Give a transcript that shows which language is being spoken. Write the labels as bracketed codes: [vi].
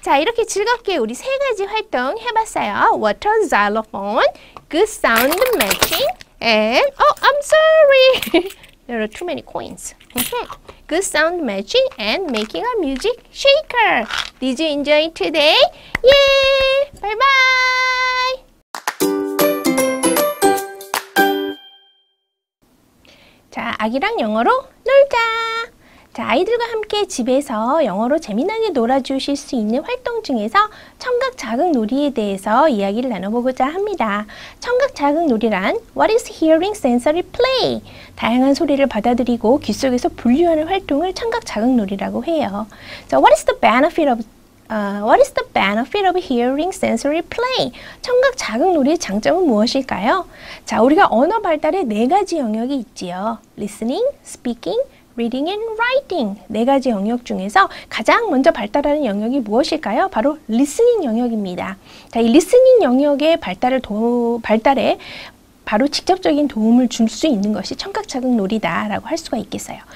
[ko] 자, 이렇게 즐겁게 우리 세 가지 활동 해봤어요. [en] Water, xylophone, good sound matching, and, oh, I'm sorry. There are too many coins. Good sound matching and making a music shaker. Did you enjoy today? Yay! Bye-bye! [ko] Aggie랑 영어로 놀자. 자, 아이들과 함께 집에서 영어로 재미나게 놀아주실 수 있는 활동 중에서 청각 자극 놀이에 대해서 이야기를 나눠보고자 합니다. 청각 자극 놀이란 [en] What is hearing sensory play? [ko] 다양한 소리를 받아들이고 귀 속에서 분류하는 활동을 청각 자극 놀이라고 해요. [en] So what is the benefit of what is the benefit of hearing sensory play? [ko] 청각 자극 놀이의 장점은 무엇일까요? 자, 우리가 언어 발달에 네 가지 영역이 있지요. [en] Listening, speaking, reading and writing. [ko] 네 가지 영역 중에서 가장 먼저 발달하는 영역이 무엇일까요? 바로 listening 영역입니다. 자, 이 listening 영역의 발달에 바로 직접적인 도움을 줄 수 있는 것이 청각 자극 놀이다라고 할 수가 있겠어요.